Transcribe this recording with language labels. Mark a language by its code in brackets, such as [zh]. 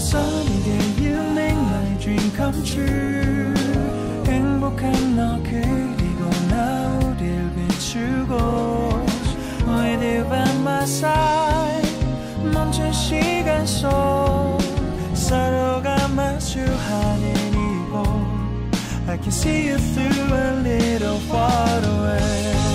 [en] So did you make my dream come true. [ko] 행복한 너 그리고 나 우릴 비추고. [en] With you by my side. [ko] 멈춘 시간 속 서로가 마주하는 이곳. [en] I can see you through a little far away.